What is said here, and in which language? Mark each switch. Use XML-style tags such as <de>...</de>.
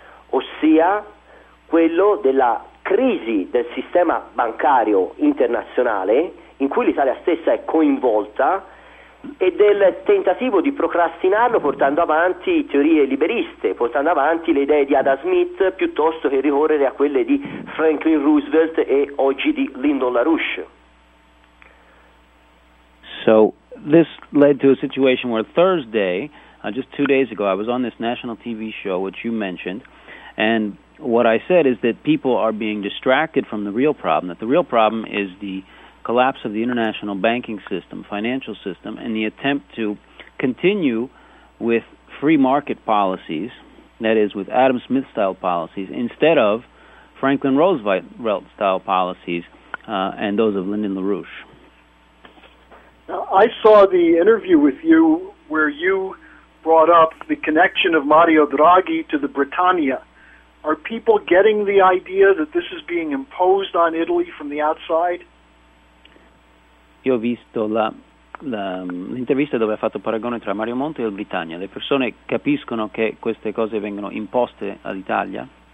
<it>ossia quello della crisi del sistema bancario internazionale in cui l'Italia stessa è coinvolta e del tentativo di procrastinarlo portando avanti teorie liberiste, portando avanti le idee di Adam Smith piuttosto che ricorrere a quelle di Franklin Roosevelt e oggi di Lyndon LaRouche.</it> <en>So this led to a situation where Thursday, just 2 days ago, I was on this national TV show, which you mentioned, and what I said is that people are being distracted from the real problem, that the real problem is the collapse of the international banking system, financial system, and the attempt to continue with free market policies, that is, with Adam Smith-style policies, instead of Franklin Roosevelt-style policies and those of Lyndon LaRouche. Now, I saw the interview with you where you brought up the connection of Mario Draghi to the Britannia. Are people getting the idea that this is being imposed on Italy from the outside?</en> <it>Io ho visto l'intervista dove ha fatto paragone tra Mario Monti e il Britannia. Le persone capiscono che queste cose vengono imposte all'Italia?</it>